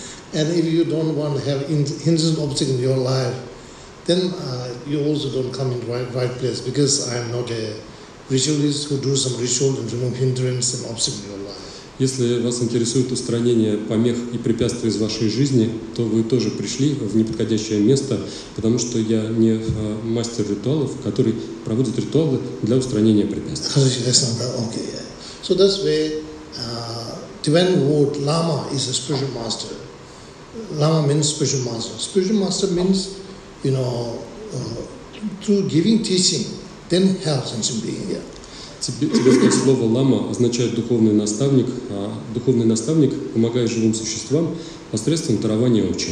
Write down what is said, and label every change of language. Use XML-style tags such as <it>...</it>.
<en>And if you don't want to have hindrance object in your life, then you also don't come in right place, because I am not a ritualist who do some ritual and remove hindrance and obstacle in your life.</en> <ru>Если вас интересует устранение помех и препятствий из вашей жизни, то вы тоже пришли в неподходящее место, потому что я не мастер ритуалов, который проводит ритуалы для устранения препятствий.</ru> <en>Okay, yeah. So that's why Tibetan word Lama is a spiritual master. Lama means spiritual master. Spiritual master means, you know, through giving teaching, then helps in being here.</en> <ru>Тибетское слово «лама» означает «духовный наставник», а «духовный наставник» помогает живым существам посредством дарования</ru>